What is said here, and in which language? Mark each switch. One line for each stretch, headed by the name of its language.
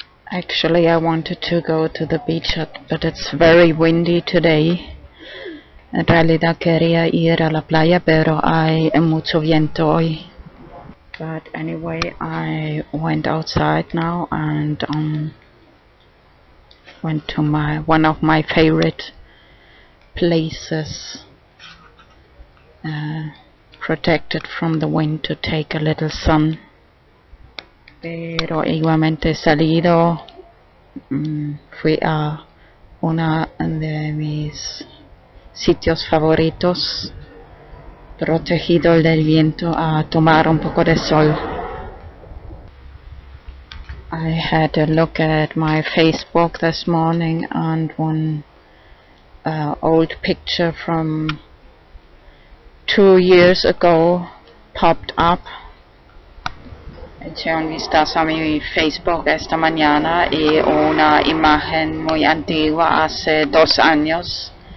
English: Actually, I wanted to go to the beach, but it's very windy today.
Spanish: En realidad quería ir a la playa, pero hay mucho viento hoy.
English: But anyway, I went outside now and went to one of my favorite places, protected from the wind, to take a little sun.
Spanish: Pero igualmente salido, fui a una de mis sitios favoritos, protegido del viento, a tomar un poco de sol.
English: I had a look at my Facebook this morning and one old picture from 2 years ago popped up.
Spanish: Eché un vistazo a mi Facebook esta mañana y una imagen muy antigua hace 2 años.